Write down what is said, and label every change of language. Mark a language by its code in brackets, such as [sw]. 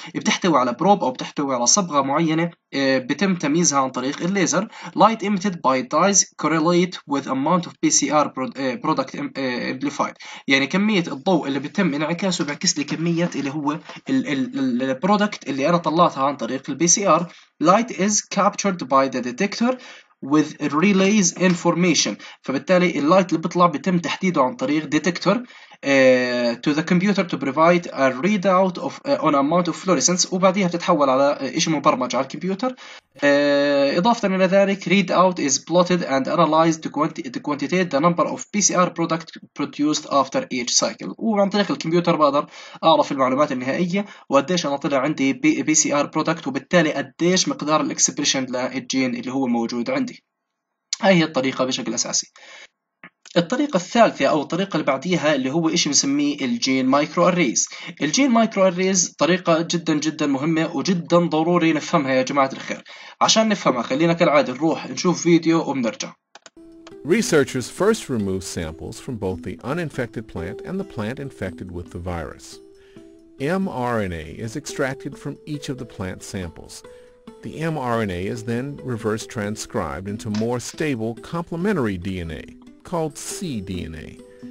[ar] بتحتوي على probe أو بتحتوي على صبغة معينة بتم تمييزها عن طريق الليزر. [en] Light emitted by dyes correlate with amount of PCR product amplified. [ar] يعني كمية الضوء اللي بتم انعكاسه بعكس لي كمية اللي هو ال product اللي أنا طلعتها عن طريق ال PCR. [en] Light is captured by the detector with relays information. [ar] فبالتالي اللايت اللي بيطلع بيتم تحديده عن طريق ديتكتور [en] to the computer to provide a readout of on amount of fluorescence، [ar] وبعديها بتتحول على شيء مبرمج على الكمبيوتر. إضافة إلى ذلك [en] readout is plotted and analyzed to quantitate the number of PCR product produced after each cycle. [ar] وعن طريق الكمبيوتر بقدر أعرف المعلومات النهائية وقديش أنا طلع عندي PCR product، وبالتالي قديش مقدار الإكسبريشن للجين اللي هو موجود عندي. هاي هي الطريقة بشكل أساسي. الطريقة الثالثة أو الطريقة اللي بعديها اللي هو إشي بنسميه الجين مايكرو أريز. الجين مايكرو أريز طريقة جدا جدا مهمة وجدا ضروري نفهمها يا جماعة الخير. عشان نفهمها خلينا كالعادة نروح نشوف فيديو وبنرجع. [en] Researchers first remove samples from both the uninfected plant and the plant infected with the virus. mRNA is extracted from each of the plant samples. The mRNA is then reverse transcribed into more stable complementary DNA called cDNA.